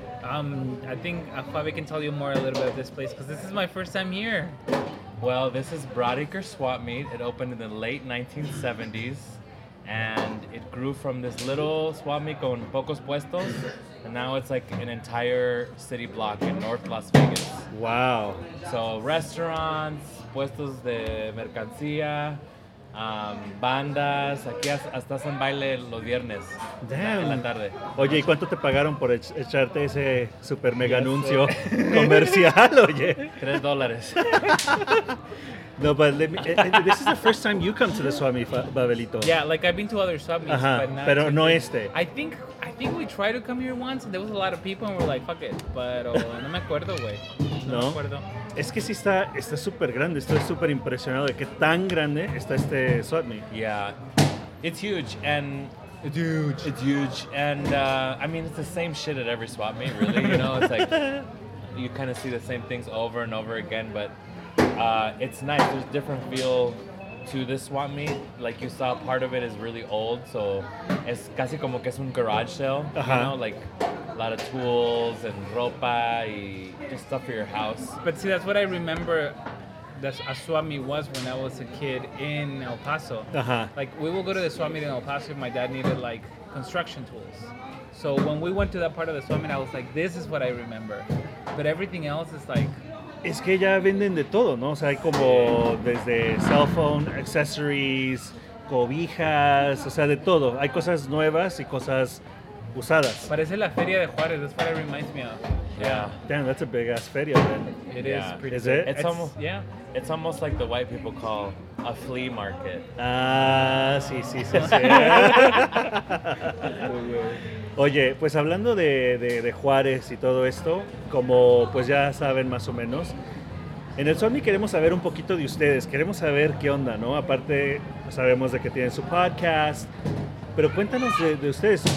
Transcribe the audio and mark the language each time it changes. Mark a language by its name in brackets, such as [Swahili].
[English] I think Fabi can tell you more a little bit of this place because this is my first time here. Well, this is Brodeker Swap Meet. It opened in the late 1970s. And it grew from this little swap meet [Spanish] con pocos puestos, [English] and now it's like an entire city block in North Las Vegas. Wow. So restaurants, [Spanish] puestos de mercancía, bandas, aquí hasta hacen baile los viernes. [English] Damn. [Spanish] En la tarde. Oye, ¿y cuánto te pagaron por echarte ese super mega anuncio comercial, oye? [English] $3. No, but let me, this is the first time you come to the swap meet, Babelito. Yeah, like I've been to other swap meets, uh-huh, but not. [Spanish] Pero no este. [English] I think we tried to come here once, and there was a lot of people, and we're like, fuck it. [Spanish] Pero no me acuerdo, güey. No. No me acuerdo. Es que sí está súper grande. Estoy súper impresionado de qué tan grande está este swap meet. [English] Yeah, it's huge, and it's huge. It's huge, and I mean, it's the same shit at every swap meet, really. You know, it's like you kind of see the same things over and over again, but. It's nice. There's different feel to this swap meet. Like you saw, part of it is really old, so it's [Spanish] casi como que es un [English] garage sale. Uh-huh. You know, like a lot of tools and [Spanish] ropa y [English] just stuff for your house. But see, that's what I remember that a swap meet was when I was a kid in El Paso. Uh-huh. Like we will go to the swap meet in El Paso if my dad needed like construction tools. So when we went to that part of the swap meet, I was like, this is what I remember. But everything else is like. [Spanish] Es que ya venden de todo, ¿no? O sea, hay como desde [English] cell phone, accessories, [Spanish] cobijas, o sea, de todo. Hay cosas nuevas y cosas usadas. Parece la Feria de Juárez, [English] that's what it reminds me of. Yeah. Damn, that's a big ass feria, man. It is pretty. Is it? It's almost like the white people call a flea market. [Spanish] Sí, sí, sí, sí. Oye, pues hablando de Juárez y todo esto, como pues ya saben más o menos, en el Sony queremos saber un poquito de ustedes, queremos saber qué onda, ¿no? Aparte, sabemos de que tienen su podcast, pero cuéntanos de ustedes.